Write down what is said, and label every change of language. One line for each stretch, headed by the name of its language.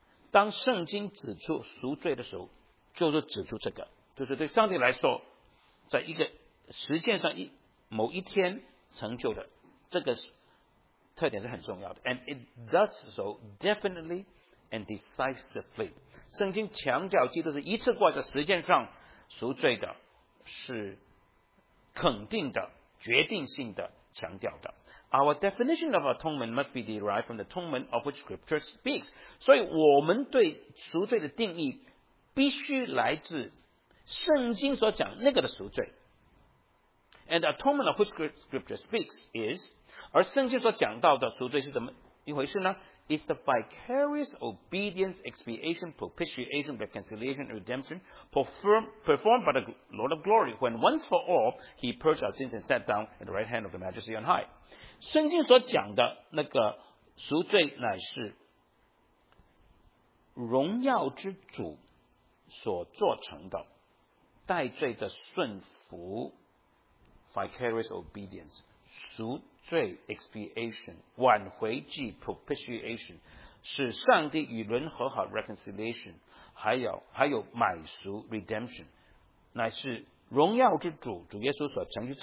Chinese: 当圣经指出赎罪的时候，就是指出这个，就是对上帝来说，在一个实践上某一天成就的，这个特点是很重要的。
English: And it does so definitely and decisively。
Chinese: 圣经强调基督是一次过在实践上赎罪的，是肯定的，决定性的强调的。
English: Our definition of atonement must be derived from the atonement of which scripture speaks。
Chinese: 所以我们对赎罪的定义必须来自圣经所讲那个的赎罪。
English: And the atonement of which scripture speaks is，
Chinese: 而圣经所讲到的赎罪是怎么一回事呢？
English: Is the vicarious obedience, expiation, propitiation, reconciliation, and redemption performed by the Lord of glory when once for all he purged our sins and sat down at the right hand of the majesty on high？
Chinese: 圣经所讲的那个赎罪乃是荣耀之主所做成的代罪的顺服 vicarious obedience， 赎罪 expiation， 挽回祭 propitiation， 使上帝与人和好 reconciliation， 还有买赎 redemption， 乃是荣耀之主主耶稣所成就。